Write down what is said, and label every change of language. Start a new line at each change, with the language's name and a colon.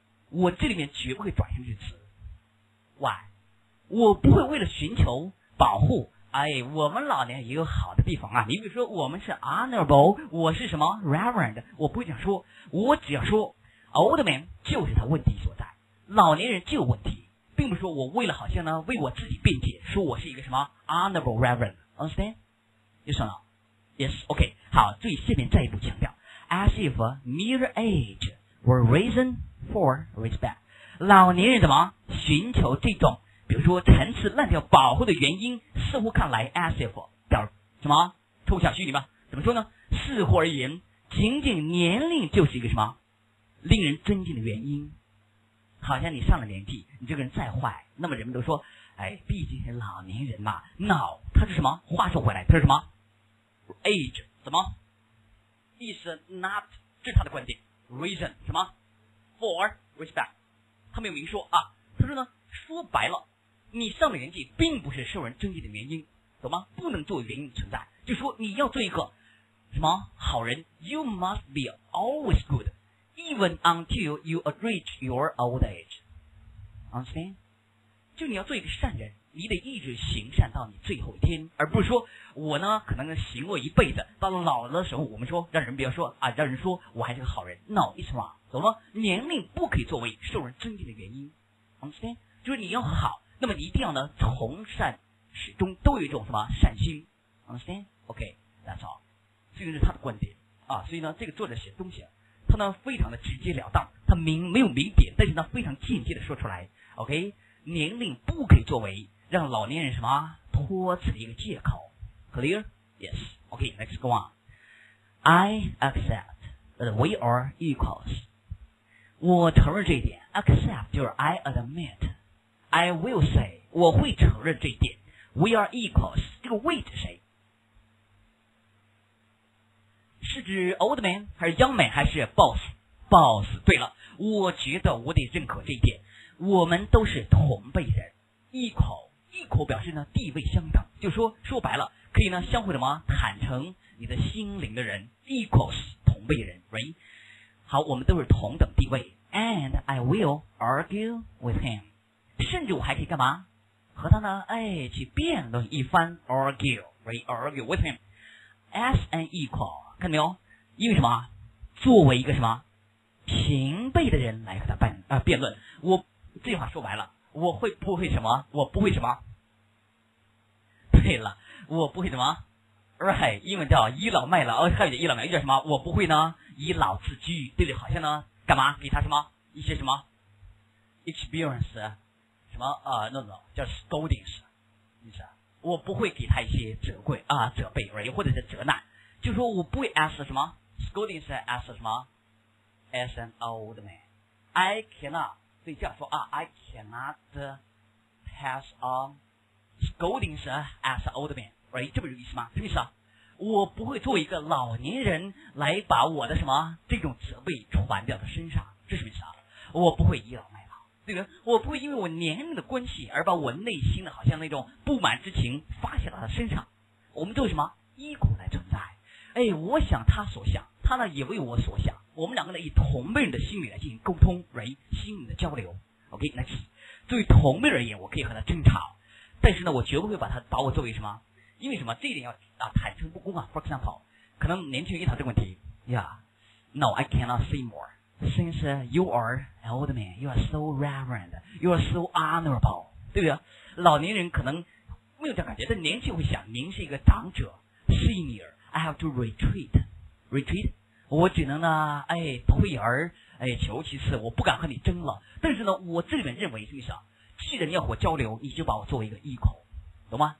Chinese: 我这里面绝不会转向这个词 ，Why？ 我不会为了寻求保护，哎，我们老年也有好的地方啊。你比如说，我们是 honorable， 我是什么 reverend， 我不会这样说，我只要说 old man 就是他问题所在，老年人就有问题，并不是说我为了好像呢为我自己辩解，说我是一个什么 honorable reverend， understand？
English: You see now？
Chinese: Yes， OK， 好，注意下面再一步强调 ，
English: as if mere age were reason for respect，
Chinese: 老年人怎么寻求这种？比如说陈词滥调保护的原因似乎看来 as if 表什么抽象虚拟吧，怎么说呢？似乎而言仅仅年龄就是一个什么令人尊敬的原因，好像你上了年纪你这个人再坏，那么人们都说哎，毕竟是老年人嘛。 No， 他是什么？话说回来他是什么 age 怎么 is not， 这是他的观点 reason 什么 for respect， 他没有明说啊，他说呢说白了你上了年纪并不是受人尊敬的原因，懂吗？不能作为原因存在，就说你要做一个什么好人 ，
English: You must be always good, even until you reach your old age. Understand?
Chinese: 就你要做一个善人，你得一直行善到你最后一天，而不是说我呢可能行恶一辈子，到了老的时候我们说让人不要说啊，让人说我还是个好人。
English: No, it's wrong,
Chinese: 懂吗？年龄不可以作为受人尊敬的原因。 Understand? 就是你要好。那么你一定要呢从善始终都有一种什么善心 ，understand？
English: OK，that's all。
Chinese: 这个是他的观点啊，所以呢，这个作者写的东西，他呢非常的直截了当，他没有明点，但是呢非常间接的说出来 OK， 年龄不可以作为让老年人什么托辞的一个借口。
English: Clear? Yes. OK, let's go on. I accept that we are equals.
Chinese: 我承认这一点， accept 就是 I admit. I will say, 我会承认这一点，
English: we are equals,
Chinese: 这个 we 是谁？是指 old man 还是 young man 还是 boss？对了，我觉得我得认可这一点，我们都是同辈人， equal 表示呢地位相等，就说白了可以呢相互什么坦诚你的心灵的人， equals 同辈人 right？好，我们都是同等地位，
English: and I will argue with him，
Chinese: 甚至我还可以干嘛和他呢哎去辩论一番， argue right，
English: argue with him as an equal，
Chinese: 看到没有？因为什么？作为一个什么平辈的人来和他辩论，我这句话说白了，我会不会什么？我不会什么？对了，我不会什么 ？Right， 英文叫倚老卖老，还有倚老卖老，叫什么？我不会呢，以老自居，对不对？好像呢，干嘛给他什么一些什么 experience 什么no 叫 scoldings， 意思我不会给他一些责怪啊、责备 ，right， 或者是责难。
English: 就说我不会 as 什么 scolding as 什么 as an old man， I cannot，
Chinese: 所以这样说啊，
English: I cannot pass on scolding as an old man， right，
Chinese: 这不是意思吗？什么意思啊？我不会做一个老年人来把我的什么这种责备传掉到身上，这是什么意思啊？我不会倚老卖老，对不对？我不会因为我年龄的关系而把我内心的好像那种不满之情发泄到他身上，我们做什么依古来存在，哎，我想他所想，他呢也为我所想，我们两个呢以同辈人的心理来进行沟通 ，right， 心理的交流。 OK， 那是作为同辈而言，我可以和他争吵，但是呢，我绝不会把我作为什么，因为什么这一点要坦诚不公啊。
English: For example，
Chinese: 可能年轻人遇到这个问题
English: ，Yeah，No， I cannot say more， since you are an old man， you are so reverend， you are so honorable，
Chinese: 对不对？老年人可能没有这样感觉，但年轻会想，您是一个长者 ，senior。
English: I have to retreat，
Chinese: 我只能呢，哎，退而哎求其次，我不敢和你争了。但是呢，我这里面认为，什么意思啊？既然要和我交流，你就把我作为一个equal，懂吗？